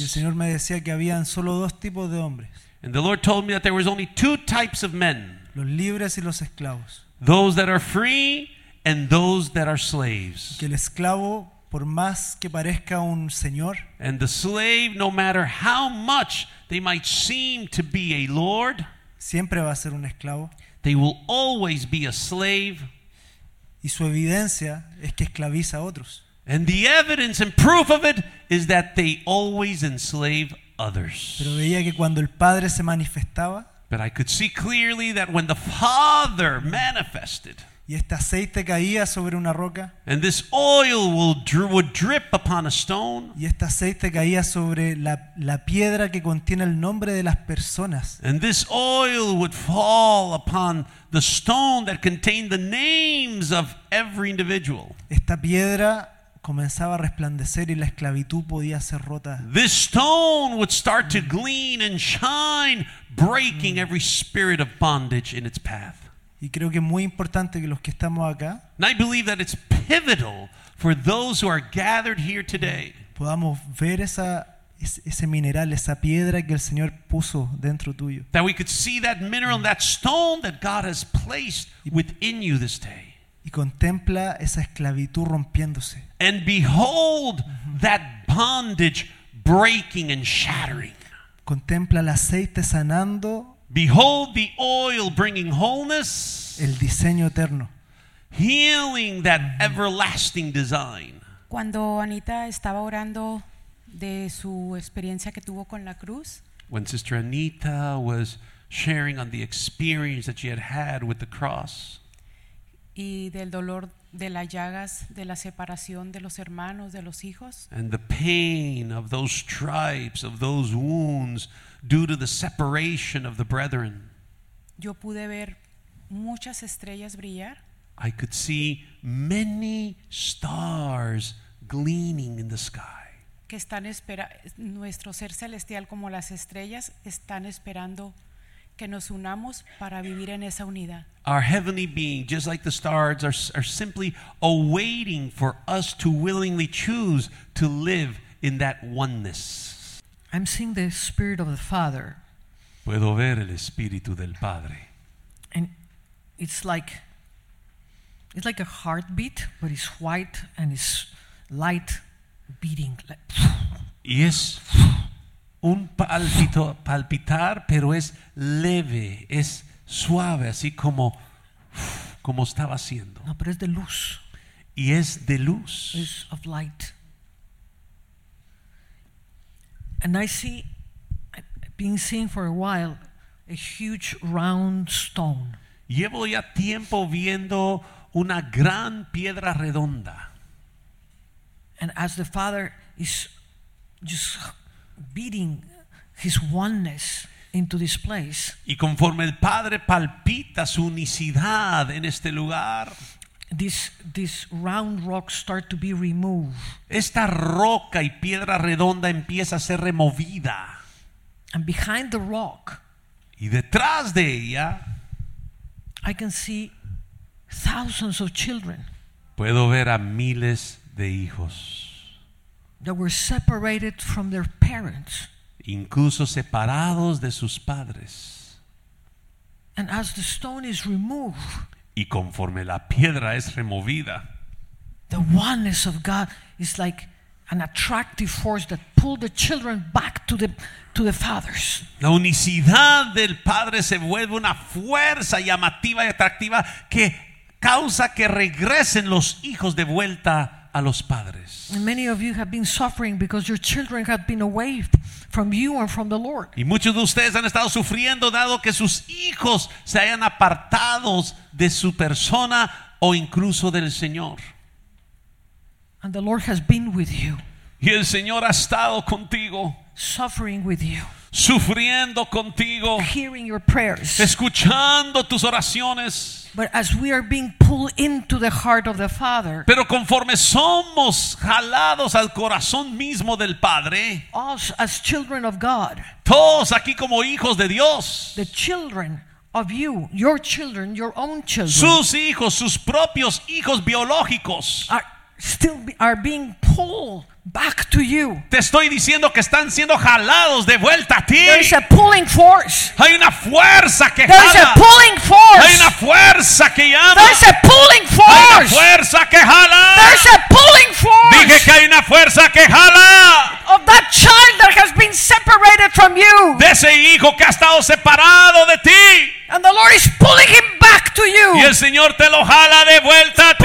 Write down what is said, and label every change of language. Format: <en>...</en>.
<es>Y el Señor me decía que habían solo dos tipos de hombres.</es> <en>And the Lord told me that there was only two types of men.</en> <es>Los libres y los esclavos.</es> <en>Those that are free and those that are slaves.</en> <es>Que el esclavo, por más que parezca un señor,</es> <en>and the slave, no matter how much they might seem to be a lord,</en> <es>siempre va a ser un esclavo.</es> <en>They will always be a slave.</en> <es>Y su evidencia es que esclaviza a otros.</es> <en>And the evidence and proof of it is that they always enslave others.</en> <es>Pero veía que cuando el Padre se manifestaba,</es> <en>but I could see clearly that when the Father manifested,</en> <es>y este aceite caía sobre una roca,</es> <en>and this oil would drip upon a stone,</en> <es>y este aceite caía sobre la piedra que contiene el nombre de las personas,</es> <en>and this oil would fall upon the stone that contained the names of every individual.</en> <es>Esta piedra comenzaba a resplandecer y la esclavitud podía ser rota.</es> <en>This stone would start to gleam and shine, breaking every spirit of bondage in its path.</en> <es>Y Y creo que es muy importante que los que estamos acá,</es> <en>and I believe that it's pivotal for those who are gathered here today,</en> <es>podamos ver esa, ese mineral, esa piedra que el Señor puso dentro tuyo,</es> <en>that we could see that mineral, that stone that God has placed within you this day.</en> <es>Y contempla esa esclavitud rompiéndose.</es> <en>And behold that bondage breaking and shattering.</en> <es>Contempla el aceite sanando.</es> <en>Behold the oil bringing wholeness.</en> <es>El diseño eterno.</es> <en>Healing that everlasting design.</en> <es>Cuando Anita estaba orando de su experiencia que tuvo con la cruz,</es> <en>when Sister Anita was sharing on the experience that she had had with the cross,</en> <es>y del dolor de las llagas de la separación de los hermanos, de los hijos,</es> <en>and the pain of those stripes, of those wounds due to the separation of the brethren,</en> <es>yo pude ver muchas estrellas brillar.</es> <en>I could see many stars gleaming in the sky.</en> <es>Que están esperando, nuestro ser celestial como las estrellas están esperando que nos unamos para vivir en esa unidad.</es> <en>Our heavenly being, just like the stars, are simply awaiting for us to willingly choose to live in that oneness. I'm seeing the Spirit of the Father.</en> <es>Puedo ver el Espíritu del Padre.</es> <en>And it's like a heartbeat, but it's white and it's light beating. Yes.</en> <es>Un palpito, palpitar, pero es leve, es suave, así como, como estaba haciendo. No, pero es de luz. Y es de luz.</es> <en>Es of light. And I see, being seen for a while, a huge round stone.</en> <es>Llevo ya tiempo viendo una gran piedra redonda.</es> <en>And as the Father is just beating his oneness into this place,</en> <es>y conforme el Padre palpita su unicidad en este lugar,</es> <en>this round rock start to be removed.</en> <es>Esta roca y piedra redonda empieza a ser removida.</es> <en>And behind the rock,</en> <es>y detrás de ella,</es> <en>I can see thousands of children.</en> <es>Puedo ver a miles de hijos.</es> <en>That were separated from their parents.</en> <es>Incluso separados de sus padres.</es> <en>And as the stone is removed,</en> <es>y conforme la piedra es removida,</es> <en>the oneness of God is like an attractive force that pulled the children back to the fathers.</en> <es>La unicidad del Padre se vuelve una fuerza llamativa y atractiva que causa que regresen los hijos de vuelta a los padres.</es> <en>And many of you have been suffering because your children have been away from you and from the Lord.</en> <es>Y muchos de ustedes han estado sufriendo dado que sus hijos se hayan apartado de su persona o incluso del Señor.</es> <en>And the Lord has been with you.</en> <es>Y el Señor ha estado contigo.</es> <en>Suffering with you.</en> <es>Sufriendo contigo.</es> <en>Hearing your prayers.</en> <es>Escuchando tus oraciones.</es> <en>But as we are being pulled into the heart of the Father,</en> <es>pero conforme somos jalados al corazón mismo del Padre,</es> <en>us as children of God,</en> <es>todos aquí como hijos de Dios,</es> <en>the children of you, your children, your own children,</en> <es>sus hijos, sus propios hijos biológicos,</es> <en>are being pulled back to you.</en> <es>Te estoy diciendo que están siendo jalados de vuelta a ti.</es> <en>There is a pulling force.</en> <es>Hay una fuerza que</es> <en>There</en> <es>jala.</es> <en>There is a pulling force.</en> <es>Hay una fuerza que llama.</es> <en>There is a pulling force.</en> <es>Hay una fuerza que jala.</es> <en>There is a pulling force.</en> <es>Dije que hay una fuerza que jala.</es> <en>Of that child that has been separated from you.</en> <es>De ese hijo que ha estado separado de ti.</es> <en>And the Lord is pulling him back to you.</en> <es>Y el Señor te lo jala de vuelta a ti.</es>